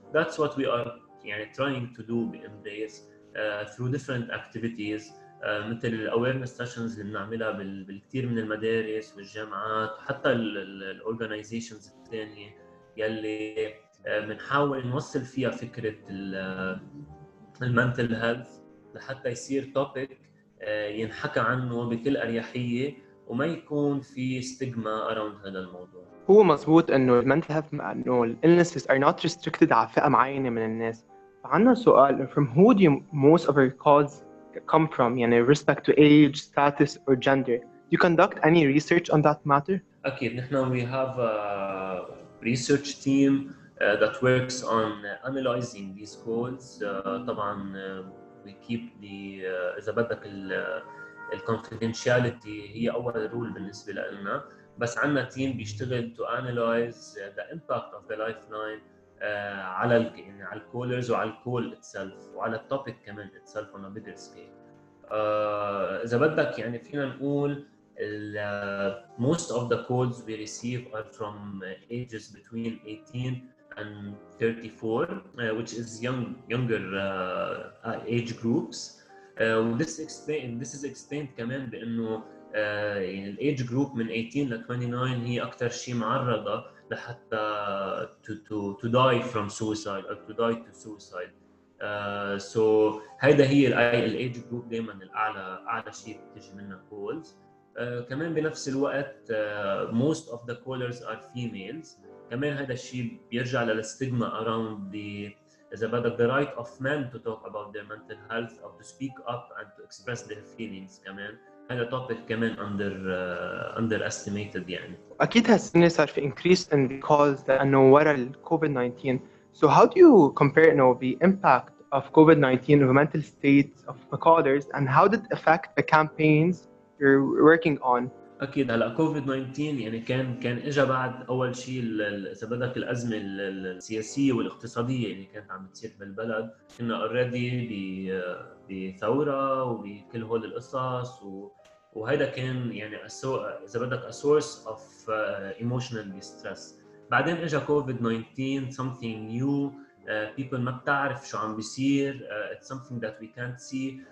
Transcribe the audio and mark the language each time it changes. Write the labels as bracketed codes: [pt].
[en] That's what we are [ar] يعني [en] trying to do in Embrace through different activities [ar] مثل [en] awareness sessions [ar] اللي بنعملها بالكثير من المدارس والجامعات وحتى ال organizations الثانية يلي بنحاول نوصل فيها فكرة ال mental health لحتى يصير topic ينحكى عنه بكل أريحية وما يكون في [en] stigma around [ar] هذا الموضوع. هو مظبوط انه mental health انه [en] illnesses are not restricted [ar] على فئة معينة من الناس. فعندنا سؤال [en] from who do most of our calls come from يعني respect to age, status or gender. Do you conduct any research on that matter? [ar] أكيد نحن [en] we have a research team that works on analyzing these calls. [ar] طبعا [en] we keep the [ar] إذا بدك ال confidentiality هي أول رول بالنسبة لنا. بس عنا تيم بيشتغل [en] to analyze the impact of the lifeline [ar] على ال يعني على الكولرز وعلى الكول itself وعلى topic كمان [en] itself on a bigger scale. [ar] إذا بدك يعني فينا نقول [en] most of the calls we receive are from ages between 18 and 34 which is younger age groups. This is explained [ar] كمان بأنه يعني [en] الايج جروب من 18 ل 29 [ar] هي اكثر شيء معرضه لحتى [en] to die from suicide or to die to suicide. [ar] So هيدا هي الايج جروب دائما الاعلى شيء بتجي منها كولز. كمان بنفس الوقت [en] most of the callers are females. [ar] كمان هذا الشيء بيرجع للستيغما [en] around the اذا بدك the right of men to talk about their mental health or to speak up and to express their feelings. [ar] كمان هذا topic كمان underestimated يعني. أكيد هالسنة صار في [en] increase in the calls [ar] لأنه وراء ال COVID-19. [en] So how do you compare you know, the impact of COVID-19 on the mental state of the callers and how did it affect the campaigns you're working on? [ar] أكيد هلا COVID-19 يعني كان إجا بعد أول شيء إذا بدك الأزمة السياسية والاقتصادية يعني كانت عم تصير بالبلد. كنا already بثورة وبكل هول القصص وهذا كان يعني إذا بدك [en] a source of emotional distress. [ar] بعدين إجا [en] COVID-19 something new people [ar] ما بتعرف شو عم بيصير [en] it's something that we can't see.